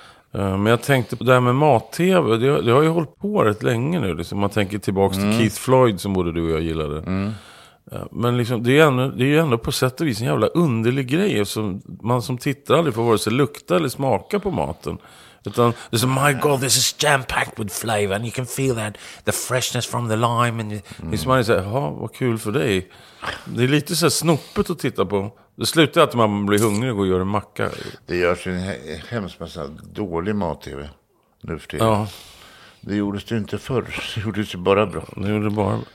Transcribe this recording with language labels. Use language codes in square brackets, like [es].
[sv] Men jag tänkte på det här med mat-tv. Det har ju hållit på rätt länge nu. Liksom. Man tänker tillbaka till Keith Floyd som både du och jag gillade. Men liksom, det är ju ändå på sätt och vis en jävla underlig grej. Man som tittar aldrig får vare sig lukta eller smaka på maten. Utan det är så, [en] my god, this is jam-packed with flavor. And you can feel that, the freshness from the lime. [sv] And liksom man säger, ja, vad kul för dig. Det är lite så här snoppet att titta på. Det slutar att man blir hungrig och gör en macka. Det görs ju en hemskt massa dålig mat-tv nu för tiden. Ja. Det gjordes det inte förr. Det gjordes ju bara bra. Det gjorde bara...